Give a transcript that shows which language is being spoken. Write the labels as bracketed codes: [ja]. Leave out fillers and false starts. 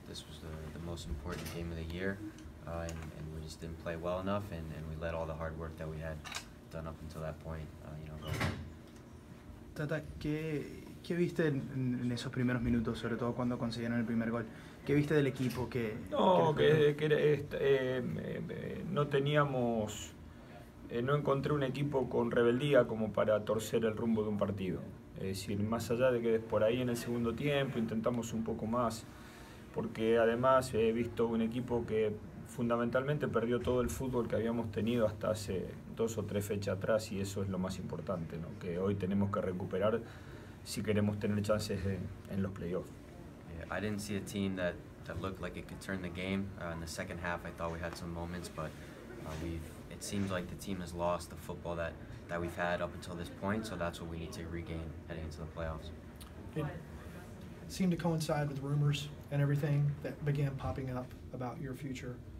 [en] This was the most important game of the year, and we just didn't play well enough, and we let all the hard work that we had done up until that point, go away. [es] Tata, ¿qué viste en esos primeros minutos, sobre todo cuando consiguieron el primer gol? ¿Qué viste del equipo? ¿Qué No, les faltó? no teníamos, no encontré un equipo con rebeldía como para torcer el rumbo de un partido. Es decir, más allá de que por ahí en el segundo tiempo intentamos un poco más, porque además he visto un equipo que fundamentalmente perdió todo el fútbol que habíamos tenido hasta hace 2 o 3 fechas atrás, y eso es lo más importante, ¿no? Que hoy tenemos que recuperar si queremos tener chances en los playoffs. [en] I didn't see a team that looked like it could turn the game. In the second half, I thought we had some moments, but it seems like the team has lost the football that we've had up until this point, so that's what we need to regain heading into the playoffs. It seemed to coincide with rumors and everything that began popping up about your future.